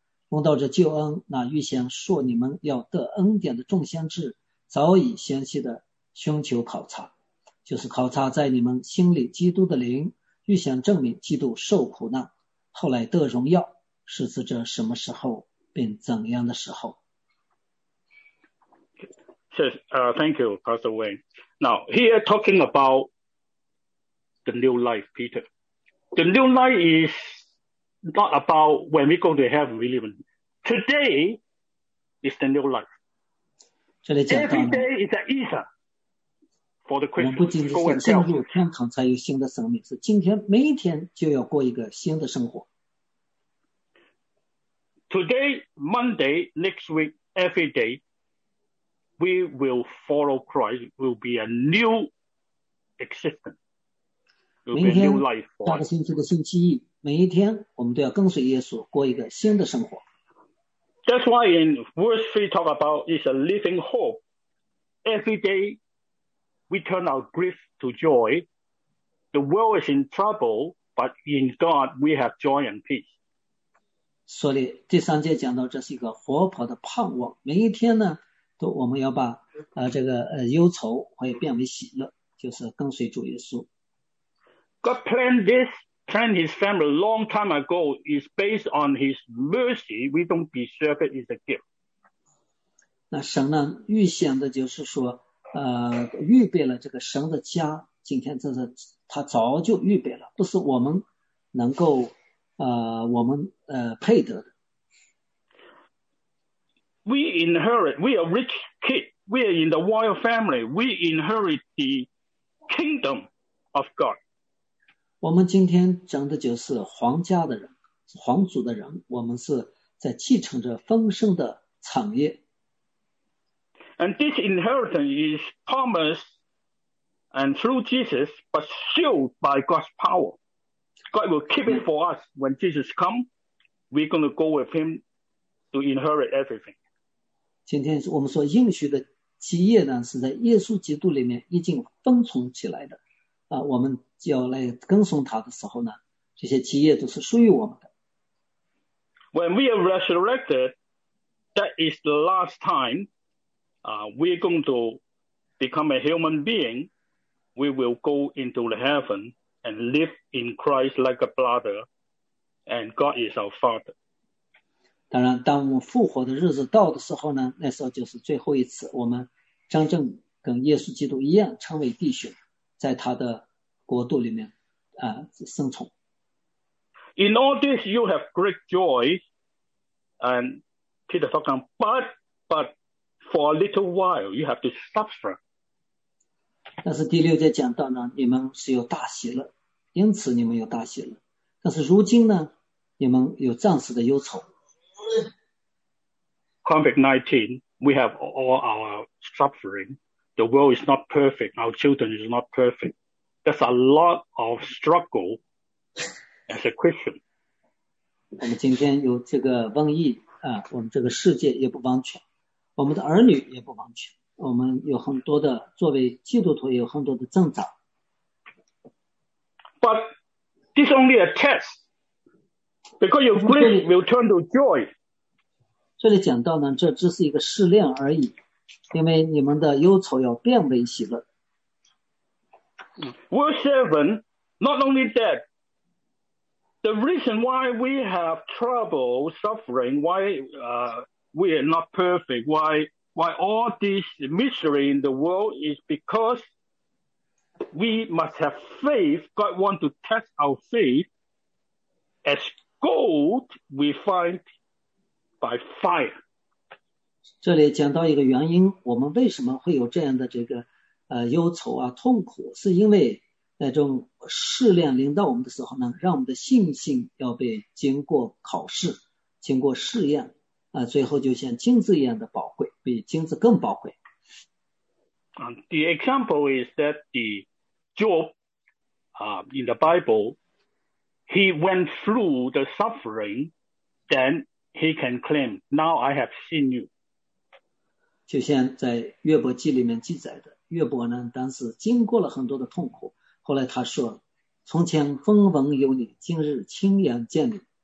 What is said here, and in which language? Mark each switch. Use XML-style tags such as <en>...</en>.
<zh>用到这救恩，那预先说你们要得恩典的众先知早已详细的寻求考察，就是考察在你们心里基督的灵，预想证明基督受苦难，后来得荣耀，是指着什么时候并怎样的时候。</zh> <en>Thank you, Pastor Wayne. Now, here talking about the new life, Peter. The new life is not about when we go to heaven, really. Today is the new life.</en> <zh>这里讲到</zh> <en>Every day is an Easter for the Christian.</en> <zh>我们不仅是想进入天堂才有新的生命，是今天每一天就要过一个新的生活。</zh> <en>Today, Monday, next week, every day,We will follow Christ. Will be a new existence. Will be a new life for us.</en> <zh>下个星期的星期一，每一天我们都要跟随耶稣过一个新的生活。</zh> <en>That's why in verse 3 talk about is a living hope. Every day we turn our grief to joy. The world is in trouble, but in God we have joy and peace.</en> <zh>所以第三节讲到这是一个活泼的盼望，每一天呢。都我们要把、这个、忧愁会变为喜乐，就是跟随主耶稣。</zh> <en>God planned this, planned his family a long time ago, is based on his mercy, we don't deserve it, it's a gift.</en> <zh>那神呢预先的就是说、预备了这个神的家，今天这是他早就预备了，不是我们能够、我们、配得的。</zh> <en>We inherit, we are rich kid, we are in the royal family, we inherit the kingdom of God.</en> <zh>我们今天讲的就是皇家的人，皇族的人，我们是在继承着丰盛的产业。</zh> <en>And this inheritance is promised and through Jesus, but sealed by God's power. God will keep it for us. When Jesus comes, we're going to go with him to inherit everything.</en> <zh>今天我们说应许的基业呢，是在耶稣基督里面已经封存起来的。啊，我们要来跟从他的时候呢，这些基业都是属于我们的。</zh> <en>When we are resurrected, that is the last time, we're going to become a human being. We will go into the heaven and live in Christ like a brother, and God is our Father.</en> <zh>当然当我们复活的日子到的时候呢，那时候就是最后一次我们真正跟耶稣基督一样成为弟兄，在他的国度里面、生存。</zh> <en>In all this you have great joy and Peter talking but for a little while you have to suffer.</en> <zh>但是第六节讲到呢，你们是有大喜乐，因此你们有大喜乐，但是如今呢，你们有暂时的忧愁。</zh> <en>COVID-19, we have all our suffering. The world is not perfect. Our children is not perfect. That's a lot of struggle as a Christian.</en> <zh>我们今天有这个瘟疫、啊、我们这个世界也不完全，我们的儿女也不完全，我们有很多的作为基督徒有很多的挣扎。</zh> <en>But this is only a test. Because your grief will turn to joy.</en> <zh>这里讲到呢，这只是一个试炼而已，因为你们的忧愁要变为喜乐。</zh> <en>Verse 7, not only that, the reason why we have trouble, suffering, why、we are not perfect, why all this misery in the world is because we must have faith. God wants to test our faith as. Gold we find by fire.</en> <zh>这里讲到一个原因，我们为什么会有这样的这个、忧愁啊痛苦，是因为那种试炼临到我们的时候呢，让我们的信心要被经过考试，经过试验、最后就像金子一样的宝贵，比金子更宝贵。</zh> <en>The example is that the Job、in the BibleHe went through the suffering, then he can claim, now I have seen you.</en> <zh>就像在约伯记里面记载的，约伯呢，当时经过了很多的痛苦，后来他说，从前风闻有你，今日亲眼见你。</zh>